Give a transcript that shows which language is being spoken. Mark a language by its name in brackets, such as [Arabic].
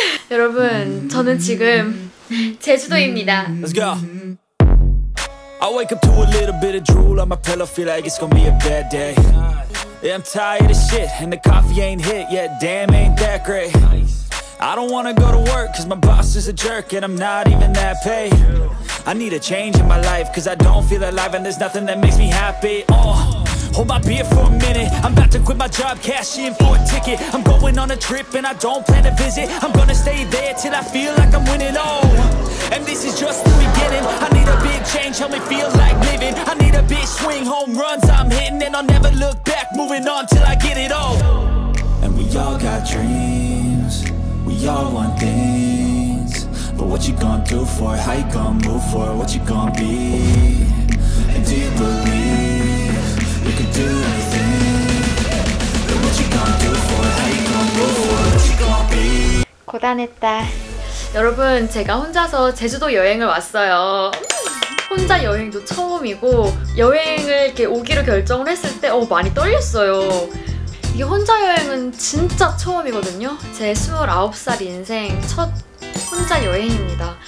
[Korean] 여러분, 저는 지금 제주도입니다. [English] Let's go. I wake up to a little bit of drool on my pillow, feel like it's gonna be a bad day. Yeah, I'm tired of shit and the coffee ain't hit yet. Damn, ain't that great. I don't wanna go to work cause my boss is a jerk and I'm not even that paid. I need a change in my life cause I don't feel alive and there's nothing that makes me happy. Hold my beer for a minute. I'm about to quit my job, cash in for a ticket. I'm going on a trip and I don't plan to visit. I'm gonna stay there till I feel like I'm winning all. And this is just the beginning. I need a big change, help me feel like living. I need a big swing, home runs I'm hitting. And I'll never look back, moving on till I get it all. And we all got dreams. We all want things. But what you gonna do for it? How you gonna move for it? What you gonna be? And do you believe? You can do anything. But what you gonna do for it? How you gonna move for it? What you gonna be? [Korean] 고단했다. 여러분, 제가 혼자서 제주도 여행을 왔어요. 혼자 여행도 처음이고, 여행을 이렇게 오기로 결정을 했을 때 많이 떨렸어요. 이게 혼자 여행은 진짜 처음이거든요. 제 29살 인생 첫 혼자 여행입니다.